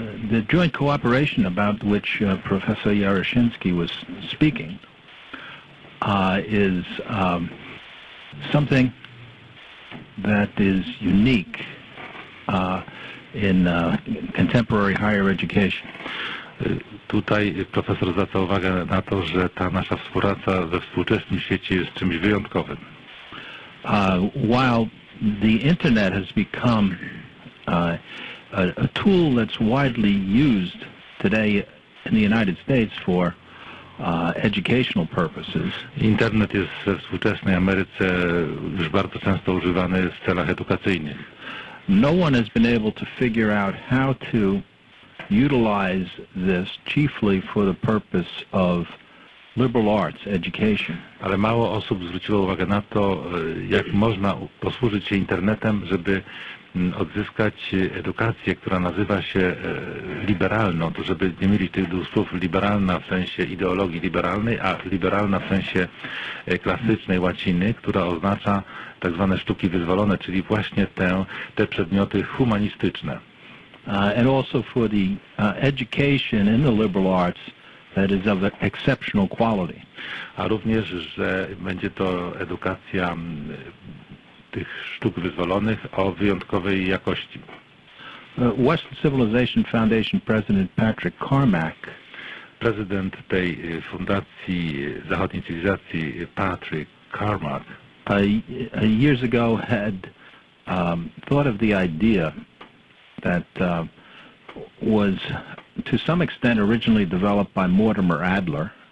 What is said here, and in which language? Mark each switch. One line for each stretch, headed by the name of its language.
English: The joint cooperation about which Professor Jaroszynski was speaking is something that is unique in contemporary higher education.
Polish: Tutaj profesor zwraca uwagę na to, że ta nasza współpraca we współczesnym świecie jest czymś wyjątkowym.
English: While the internet has become a tool that's widely used today in the United States for educational purposes.
Polish: Internet jest we współczesnej Ameryce już bardzo często używany w celach edukacyjnych.
English: No one has been able to figure out how to utilize this chiefly for the purpose of liberal arts education.
Polish: Ale mało osób zwróciło uwagę na to, jak można posłużyć się internetem, żeby odzyskać edukację, która nazywa się liberalną, to żeby nie mieli tych dwóch słów, liberalna w sensie ideologii liberalnej, a liberalna w sensie klasycznej łaciny, która oznacza tak zwane sztuki wyzwolone, czyli właśnie te przedmioty humanistyczne.
English: And also for the education in the liberal arts that is of exceptional quality.
Polish: A również, że będzie to edukacja tych sztuk wyzwolonych o wyjątkowej jakości.
English: Western Civilization Foundation President Patrick Carmack.
Polish: Prezydent tej Fundacji Zachodniej Cywilizacji, Patrick Carmack.
English: Years ago had thought of the idea that was to some extent originally developed by Mortimer Adler.